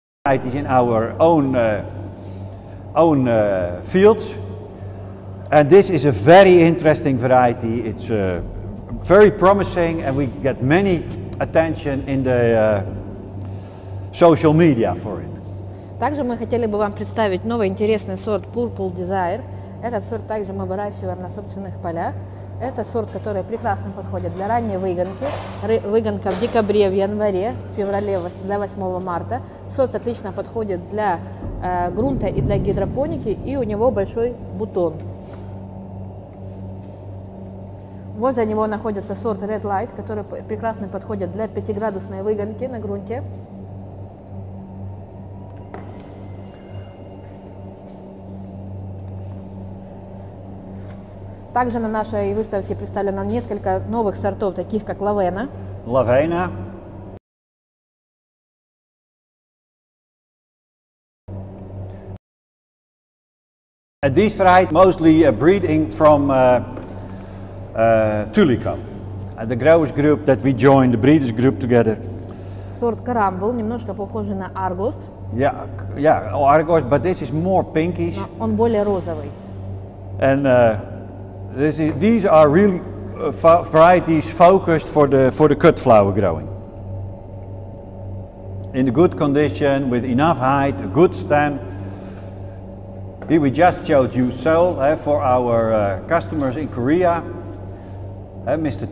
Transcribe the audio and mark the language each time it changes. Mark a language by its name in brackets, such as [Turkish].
[English] It is in our own fields. And this is a very interesting variety. It's very promising, and we get many attention in the social media for it. [Russian] Также мы хотели бы вам представить новый интересный сорт Purple Desire. Этот сорт также мы выращиваем на собственных полях. Это сорт, который прекрасно подходит для ранней выгонки. Выгонка в декабре, в январе, в феврале, до 8 марта. Сорт отлично подходит для грунта и для гидропоники, и у него большой бутон. Возле него находится сорт Red Light, который прекрасно подходит для 5-градусной выгонки на грунте. Также на нашей выставке представлено несколько новых сортов, таких как Lavena. Lavena. [English] These varieties mostly breeding from Tulica, the growers group that we joined, the breeders group together. [Russian] Сорт Карамбул, немножко похожий на Аргус. [English] Yeah, Аргус, but this is more pinkish. [Russian] Но он более розовый. [English] And these are really varieties focused for the cut flower growing. In a good condition, with enough height, a good stem. Here we just showed you sell for our customers in Korea. Mr.